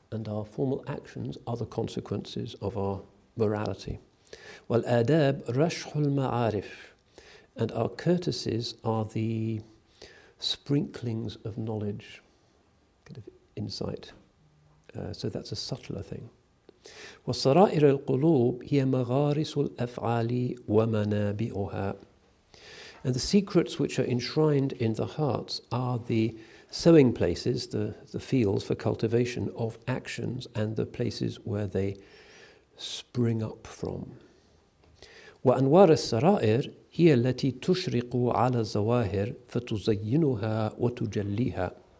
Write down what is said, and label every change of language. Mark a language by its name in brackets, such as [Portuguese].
[English] And our formal actions are the consequences of our morality. [Arabic] والآداب رشح المعارف. [English] And our courtesies are the sprinklings of knowledge, kind of insight. So that's a subtler thing. [Arabic] والصرائر القلوب هي مغارس الأفعال ومنابعها. [English] And the secrets which are enshrined in the hearts are the sowing places, the fields for cultivation of actions and the places where they spring up from. [Arabic] وَأَنْوَارَ السَّرَائِرِ هِيَ الَّتِي تُشْرِقُ عَلَى الزَّوَاهِرِ فَتُزَيِّنُهَا وَتُجَلِّيهَا.